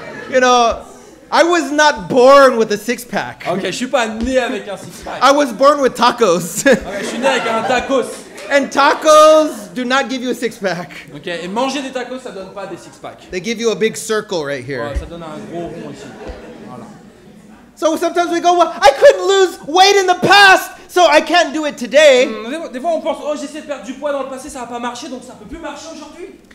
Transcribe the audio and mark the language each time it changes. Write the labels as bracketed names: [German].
[English] You know, I was not born with a six pack. [French] Ok, je suis pas né avec un six pack. [English] I was born with tacos. [French] Okay, je suis né avec un tacos. [English] And tacos do not give you a six pack. [French] Ok, et manger des tacos ça donne pas des six packs. [English] They give you a big circle right here. [French] Ouais, ça donne un gros rond ici. Voilà. [English] So sometimes we go, well, I couldn't lose weight in the past. So I can't do it today. [French] Des fois on pense, oh j'essaie de perdre du poids dans le passé, ça n'a pas marché, donc ça ne peut plus marcher aujourd'hui.